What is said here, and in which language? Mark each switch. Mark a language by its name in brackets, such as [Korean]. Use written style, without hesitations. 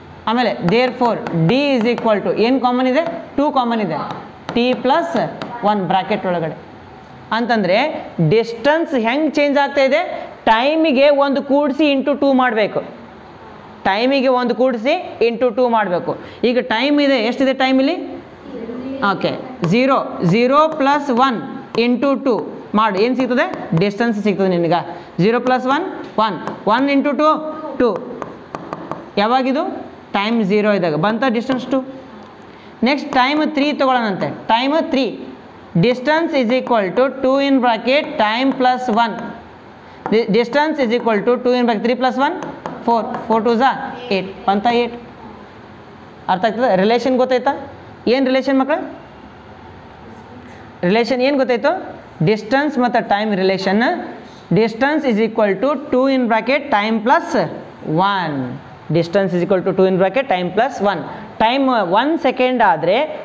[Kannada] ಆಮೇಲೆ [English] there four D is equal to [Kannada] ಏನು common ಇದೆ 2 ಕಾಮನ್ ಇದೆ ಟಿ ಪ್ಲಸ್ 1 ಬ್ರಾಕೆಟ್ ಒಳಗಡೆ ಅಂತಂದರೆ ಡಿಸ್ಟನ್ಸ್ ಹೆಂಗೆ ಚೇಂಜ್ ಆಗ್ತಾ ಇದೆ ಟೈಮಿಗೆ ಒಂದು ಕೂಡಿಸಿ ಇಂಟು ಟೂ ಮಾಡಬೇಕು ಟೈಮಿಗೆ ಒಂದು ಕೂಡಿಸಿ ಇಂಟು ಟೂ ಮಾಡಬೇಕು ಈಗ ಟೈಮ್ ಇದೆ ಎಷ್ಟಿದೆ ಟೈಮ್ ಇಲ್ಲಿ okay zero zero plus 1 into two ಮಾಡು ಏನು ಸಿಗ್ತದೆ ಡಿಸ್ಟನ್ಸ್ ಸಿಗ್ತದೆ ನಿನಗೆ ಝೀರೋ ಪ್ಲಸ್ 1 1 1 ಇಂಟು 2 2 ಯಾವಾಗಿದು ಟೈಮ್ 0 ಇದ್ದಾಗ ಬಂತ distance 2 next time 3 ತೊಗೊಳ್ಳೋಣಂತೆ time 3 [English] Distance is equal to 2 in bracket time plus 1. Distance is equal to 2 in bracket 3 plus 1, 4. 4 2 is 8. 1 is 8. [Kannada] ಅರ್ಥಾಗ್ತದ relation ಗೊತ್ತಾಯ್ತಾ ಏನು relation ಮಕ್ಕಳ ರಿಲೇಷನ್ ಏನು ಗೊತ್ತಾಯ್ತು ಡಿಸ್ಟನ್ಸ್ ಮತ್ತು time relation [English] distance is equal to 2 in bracket time plus 1 [Kannada] distance is equal to 2 in bracket time plus 1 time 1 second ಆದರೆ